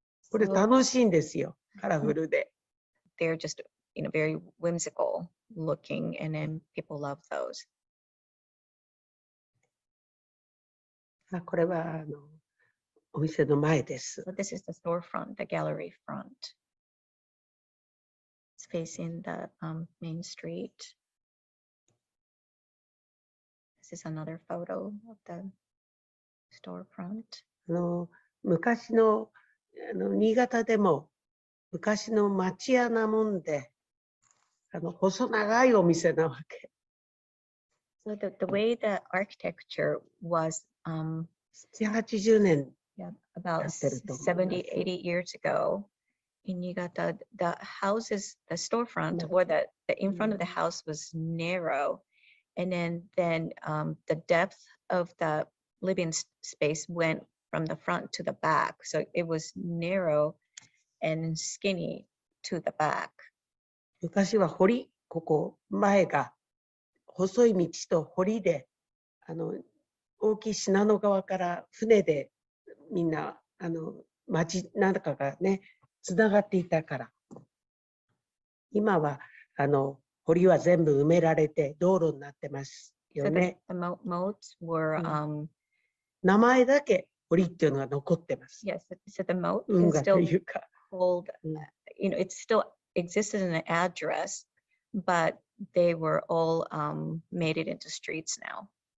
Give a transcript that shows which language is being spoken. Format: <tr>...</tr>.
<ja>これ楽しいんですよ、カラフルで。</ja> <en>They're just, you know, very whimsical looking, and then people love those.</en> <ja>あ、これはお店の前です。</ja> <en>So、this is the storefront, the gallery front. It's facing the main street. This is another photo of the storefront.</en> <ja>昔の新潟でも昔の町屋なもんで細長いお店なわけ。</ja> <en>So the way the architecture was</en> <ja>70-80 年。</ja> <en>Yeah, about 70-80 years ago in Niigata, the houses, the storefront, or the in front of the house was narrow, and then the depth of the living space went from the front to the back, so it was narrow and skinny to the back.</en> <ja>昔は堀、ここ前が細い道と堀で、大きい信濃川から船でみんな町なんかがねつながっていたから、今は堀は全部埋められて道路になってますよね。</ja> <en>So、the moats were、</en> <ja>名前だけ堀っていうのが残ってます。</ja> <en>Yes, so the moat is still called, you know, it still existed in an address, but they were all、made it into streets now.</en>